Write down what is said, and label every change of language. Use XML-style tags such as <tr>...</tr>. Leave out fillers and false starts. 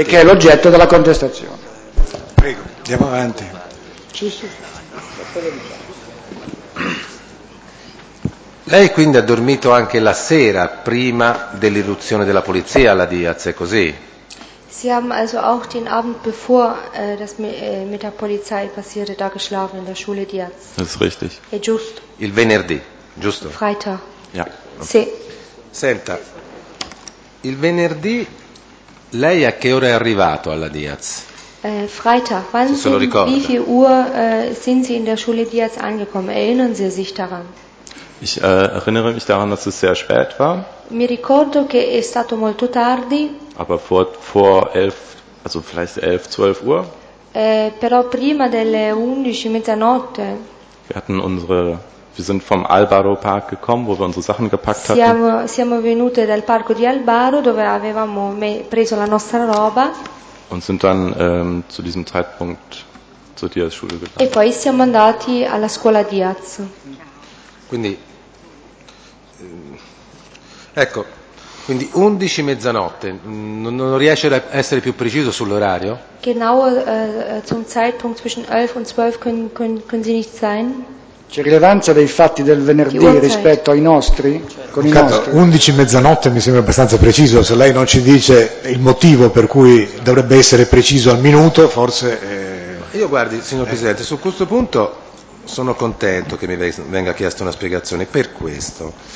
<it>E che è l'oggetto della contestazione. Prego, andiamo avanti. Lei quindi ha dormito anche la sera prima dell'irruzione della polizia alla Diaz, è così?</it> <de>Sie haben also auch den Abend bevor das mit der Polizei passierte da geschlafen in der Schule Diaz. Das ist richtig.</de> <it>È giusto. Il venerdì, giusto?</it> <de>Freitag. Ja.</de> <it>Sì. Senta, il venerdì lei a che ora è arrivato alla Diaz?</it> <de>Freitag, wann sind, wie viel Uhr sind Sie in der Schule Diaz angekommen? Erinnern Sie sich daran? Ich erinnere mich daran, dass es sehr spät war.</de> <it>Mi ricordo che è stato molto tardi.</it> <de>Aber vor 11, also vielleicht 11, 12 Uhr.</de> <it>Però prima delle 11, mezzanotte.</it> <de>Wir sind vom Albaro Park gekommen, wo wir unsere Sachen gepackt hatten.</de> <it>Siamo venute dal parco di Albaro, dove avevamo preso la nostra roba.</it> <de>Und sind dann zu diesem Zeitpunkt zur Diaz-Schule gegangen.</de> <it>E poi siamo andati alla scuola Diaz. Quindi, ecco, quindi 11 mezzanotte, non riesce a essere più preciso sull'orario?</it> <de>Genau zum Zeitpunkt zwischen 11 und 12 können Sie nicht sein.</de> <it>C'è rilevanza dei fatti del venerdì rispetto ai nostri? Certo. Con i nostri? 11 mezzanotte mi sembra abbastanza preciso, se lei non ci dice il motivo per cui dovrebbe essere preciso al minuto, forse... Io guardi, signor Presidente, su questo punto sono contento che mi venga chiesta una spiegazione, per questo.</it>